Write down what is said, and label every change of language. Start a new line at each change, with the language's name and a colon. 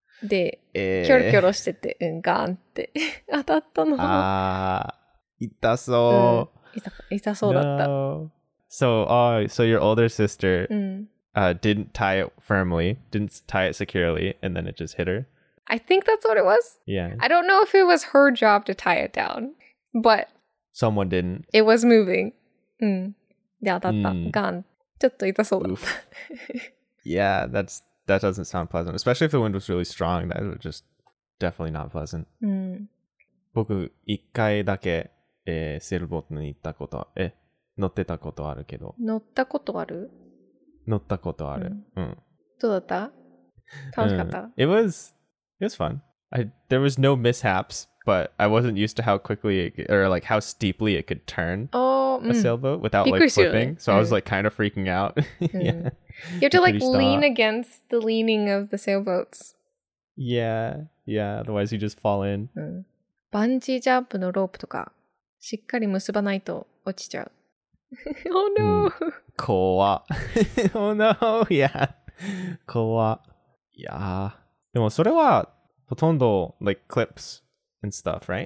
Japanese: で、キョロキョロしてて、うん、ガーンって当たったの。ああ、痛そう。痛そうだった。
English: So, so your older sister didn't tie it firmly, didn't tie it securely, and then it just hit her? I think that's what it was. Yeah. I don't know if it was her job to tie it down, but... Someone didn't. It was moving.
Japanese: うん。で、当たった。ガーン。
English: ちょっと痛そうだった。 Yeah, that's... That doesn't sound pleasant, especially if the wind was really strong. That was just definitely not pleasant.
Japanese: 僕一回だけ、セルボートに行ったこと、乗ってたことあるけど。乗ったことある？乗ったことある。うん。どうだった？楽しかった？
English: It was fun. There was no mishaps, but I wasn't used to how quickly how steeply it could turn a sailboat without flipping. So I was kind of freaking out. Yeah. You have to lean against the leaning of the sailboats. Yeah, yeah, otherwise you just fall in.
Japanese: バンジージャンプのロープとかしっかり結ばないと落ちちゃう。
English: Oh no! 怖っ。Oh no, yeah. 怖っ。
Japanese: いやー。でもそれはほとんど
English: clips and stuff, right?